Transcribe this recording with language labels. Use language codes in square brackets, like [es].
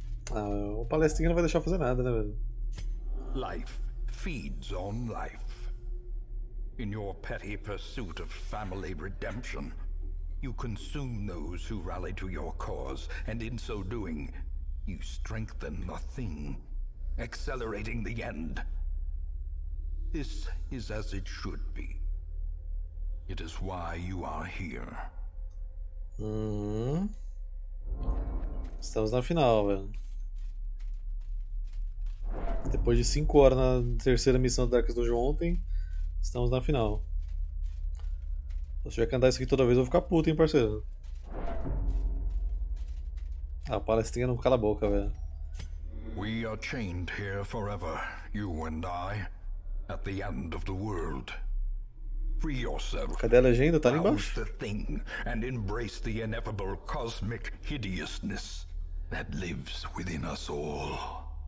[pt] Ah, o Palestrinha não vai deixar fazer nada, né, velho? [en] Life feeds on life. In your petty pursuit of family redemption, you consume those who rally to your cause, and in so doing, you strengthen the thing, accelerating the end. This is as it should be. It is why you are here. [pt] Estamos na final, velho. Depois de 5 horas na terceira missão do Dark Dungeon ontem, estamos na final. Se eu tiver que andar isso aqui toda vez, eu vou ficar puto, hein, parceiro. Ah, palestrinha não cala a boca, velho. [en] We are chained here forever, you and I, at the end of the world. Free yourself, [pt] Cadê a legenda? Tá ali [en] rouse [pt] embaixo. [en] the thing, and embrace the inevitable cosmic hideousness that lives within us all.